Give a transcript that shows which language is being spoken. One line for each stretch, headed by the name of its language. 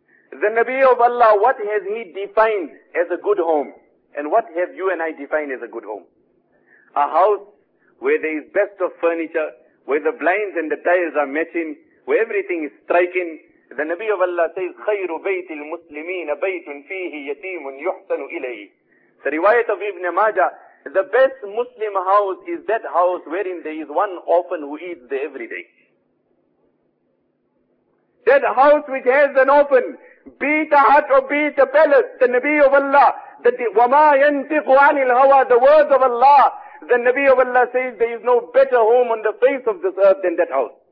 English: The Nabi of Allah, what has he defined as a good home? And what have you and I defined as a good home? A house where there is best of furniture, where the blinds and the tiles are matching, where everything is striking. The Nabi of Allah says,
Arabic: خَيْرُ بَيْتِ الْمُسْلِمِينَ بَيْتٌ فِيهِ يَتِيمٌ يُحْسَنُ إِلَيْهِ.
English: The riwayat of Ibn Majah, the best Muslim house is that house wherein there is one orphan who eats there every day. That house which has an orphan, be it a hut or be it a palace, the Nabi of Allah, the
Arabic: وَمَا يَنْتِقُ عَنِ الْهَوَى,
English: the words of Allah, the Nabi of Allah says there is no better home on the face of this earth than that house.